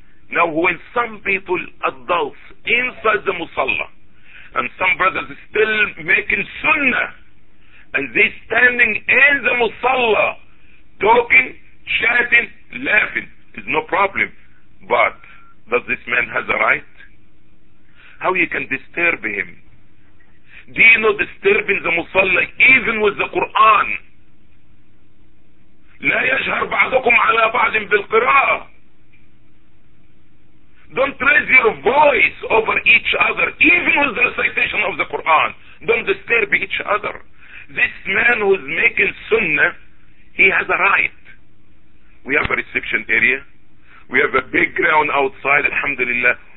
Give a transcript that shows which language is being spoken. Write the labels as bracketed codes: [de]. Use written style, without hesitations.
[en] Now when some people, adults, inside the musalla, and some brothers still making sunnah, and they standing in the musalla, talking, chatting, laughing, is no problem. But does this man have a right? How you can disturb him? Do you know disturbing the musalla even with the Quran? [ar] لا يجهر بعضكم على بعض بالقراءة. [en] Don't raise your voice over each other, even with the recitation of the Quran. Don't disturb each other. This man who is making sunnah, he has a right. We have a reception area. We have a big ground outside, alhamdulillah.